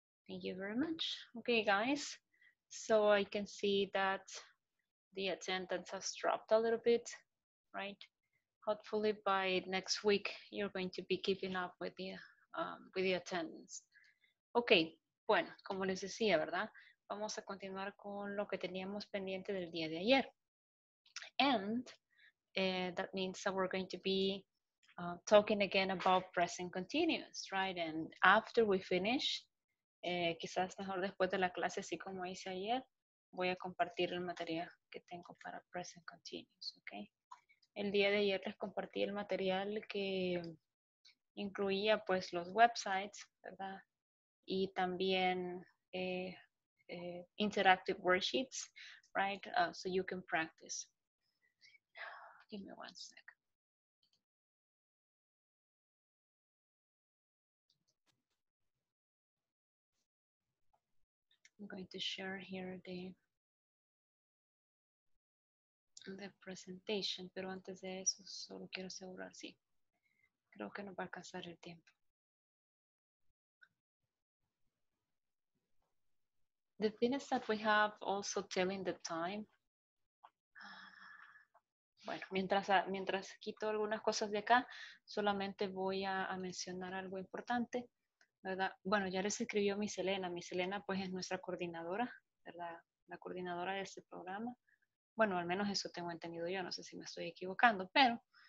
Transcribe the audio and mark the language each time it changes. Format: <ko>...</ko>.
<en>Thank you very much. Okay, guys. So I can see that the attendance has dropped a little bit, right? Hopefully by next week, you're going to be keeping up with the attendance.</en> <es>Okay, bueno, como les decía, ¿verdad? Vamos a continuar con lo que teníamos pendiente del día de ayer.</es> <en>And that means that we're going to be talking again about present continuous, right? And after we finish,</en> <es>quizás mejor después de la clase, así como hice ayer, voy a compartir el material que tengo para present continuous, okay? El día de ayer les compartí el material que incluía pues los websites, ¿verdad? Y también</es> <en>interactive worksheets, right? So you can practice. Give me one sec. I'm going to share here the presentation,</en> <es>pero antes de eso solo quiero asegurar, sí, creo que nos va a alcanzar el tiempo.</es> <en>The thing is that we have also telling the time.</en> <es>Bueno, mientras quito algunas cosas de acá, solamente voy a mencionar algo importante, ¿verdad? Bueno, ya les escribió Miss Elena. Miss Elena pues es nuestra coordinadora, ¿verdad? La coordinadora de este programa. Bueno, al menos eso tengo entendido yo, no sé si me estoy equivocando, pero</es>